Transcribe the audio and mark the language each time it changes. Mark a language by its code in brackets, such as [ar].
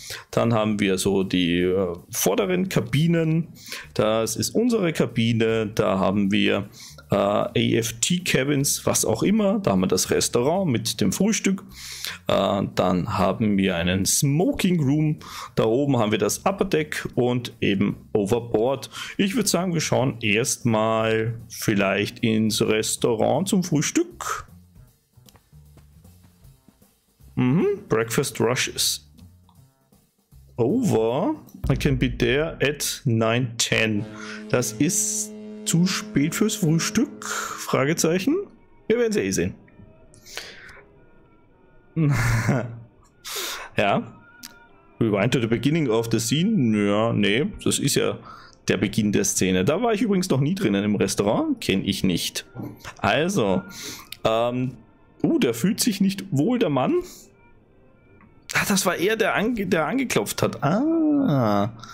[de] Dann haben wir so die vorderen Kabinen, das ist unsere Kabine, da haben wir AFT Cabins, was auch immer, da haben wir das Restaurant mit dem Frühstück. Dann haben wir einen Smoking Room, da oben haben wir das Upper Deck und eben Overboard. Ich würde sagen, wir schauen erstmal vielleicht ins Restaurant zum Frühstück. [en] Mhm, Breakfast Rush is over. I can be there at 9:10. [de] Das ist zu spät fürs Frühstück? Fragezeichen. Wir werden es eh sehen. Ja. [en] Rewind to the beginning of the scene. [de] Ja, nee, das ist ja der Beginn der Szene. Da war ich übrigens noch nie drinnen im Restaurant. Kenne ich nicht. Also, der fühlt sich nicht wohl, der Mann. Ach, das war er, der angeklopft hat. Ah.